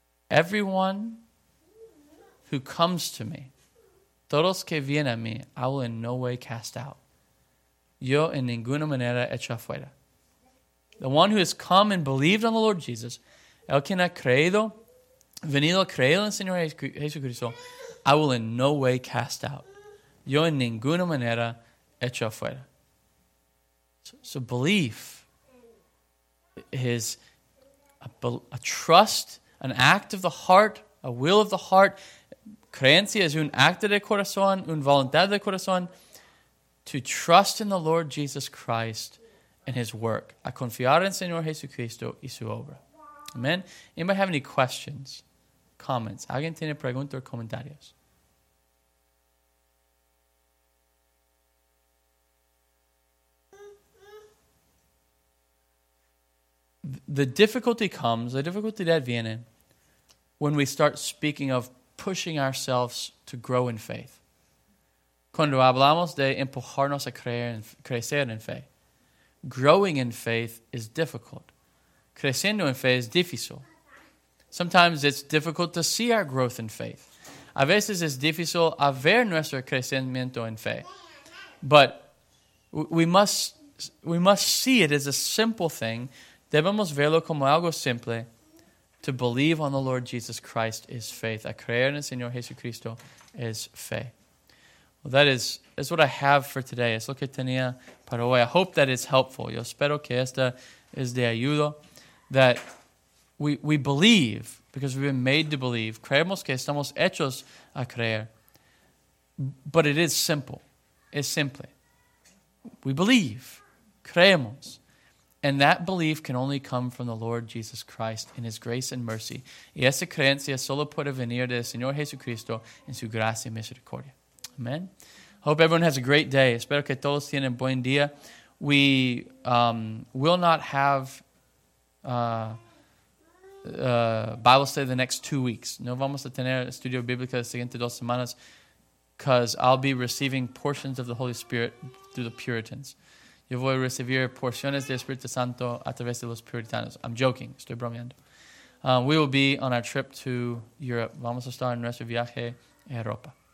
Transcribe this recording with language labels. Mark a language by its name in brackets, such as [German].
[English] Everyone who comes to me, [Spanish] todos que vienen a mí, [English] I will in no way cast out. [Spanish] Yo en ninguna manera echo afuera. [English] The one who has come and believed on the Lord Jesus, [Spanish] el quien ha creído, venido a creer en el Señor Jesucristo, [English] I will in no way cast out. [Spanish] Yo en ninguna manera echo afuera. [English] So belief is a trust, an act of the heart, a will of the heart. [Spanish] Creencia es un acto de corazón, un voluntad de corazón. [English] To trust in the Lord Jesus Christ and His work. [Spanish] A confiar en Señor Jesucristo y su obra. [English] Amen. Anybody have any questions, comments? [Spanish] ¿Alguien tiene preguntas o comentarios? [English] The difficulty comes, the difficulty that viene, when we start speaking of pushing ourselves to grow in faith. [Spanish] Cuando hablamos de empujarnos a creer, crecer en fe. [English] Growing in faith is difficult. [Spanish] Creciendo en fe es difícil. [English] Sometimes it's difficult to see our growth in faith. [Spanish] A veces es difícil ver nuestro crecimiento en fe. [English] But we must see it as a simple thing. [Spanish] Debemos verlo como algo simple. [English] To believe on the Lord Jesus Christ is faith. [Spanish] A creer en el Señor Jesucristo es fe. [English] Well, that is what I have for today. [Spanish] Es lo que tenía para hoy. [English] I hope that is helpful. [Spanish] Yo espero que esta es de ayuda. [English] That we believe, because we've been made to believe. [Spanish] Creemos que estamos hechos a creer. [English] But it is simple. [Spanish] Es simple. [English] We believe. [Spanish] Creemos. [English] And that belief can only come from the Lord Jesus Christ in His grace and mercy. [Spanish] Y esa creencia solo puede venir del Señor Jesucristo en su gracia y misericordia. [English] Amen. Hope everyone has a great day. [Spanish] Espero que todos tienen buen día. [English] We will not have Bible study the next 2 weeks. [Spanish] No vamos a tener estudio bíblico las siguientes dos semanas [English] because I'll be receiving portions of the Holy Spirit through the Puritans. [Spanish] Yo voy a recibir porciones del Espíritu Santo a través de los puritanos. [English] I'm joking. [Spanish] Estoy bromeando. [English] We will be on our trip to Europe. [Spanish] Vamos a estar en nuestro viaje a Europa.